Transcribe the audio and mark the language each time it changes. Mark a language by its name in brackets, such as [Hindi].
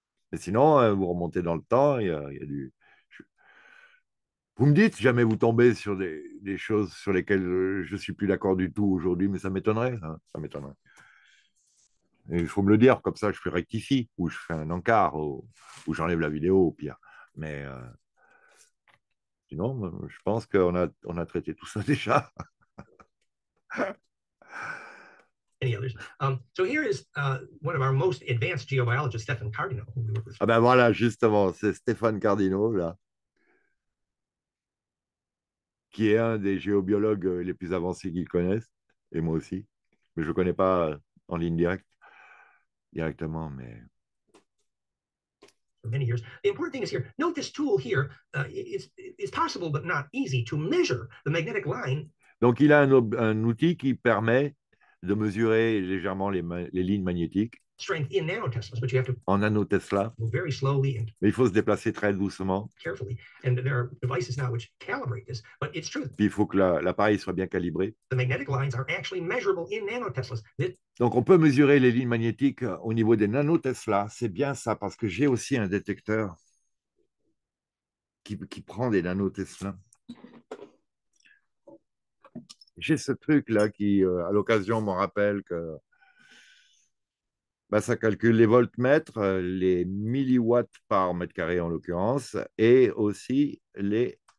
[French] Mais sinon, vous remontez dans le temps, il y a du... Vous me dites, jamais vous tombez sur des choses sur lesquelles je ne suis plus d'accord du tout aujourd'hui, mais ça m'étonnerait. Hein, ça m'étonnerait. Il faut me le dire, comme ça je fais rectifie, ou je fais un encart, ou j'enlève la vidéo au pire. Mais sinon, je pense qu'on a traité tout ça déjà. [English] Any others. So here is one of our most advanced geobiologists, Stephen Cardino, who we work with. [French] Ah ben voilà, justement, c'est Stéphane Cardinaux, là, qui est un des géobiologues les plus avancés qu'ils connaissent, et moi aussi. Mais je ne connais pas en ligne directement, mais. [English] For many years. The important thing is here, note this tool here, it's possible but not easy to measure the magnetic line. [French] Donc, il a un outil qui permet de mesurer légèrement les lignes magnétiques [English] strength in nanoteslas, but you have to [French] en nanotesla. [English] move very slowly and [French] Mais il faut se déplacer très doucement. [English] carefully. And there are devices now which calibrate this, but it's true. [French] Puis il faut que l'appareil soit bien calibré. [English] The magnetic lines are actually measurable in nanoteslas. [French] Donc on peut mesurer les lignes magnétiques au niveau des nanoteslas. C'est bien ça parce que j'ai aussi un détecteur qui prend des nanoteslas. J'ai ce truc-là qui, à l'occasion, me rappelle que ça calcule les voltmètres, les milliwatts par mètre carré en l'occurrence, et aussi les.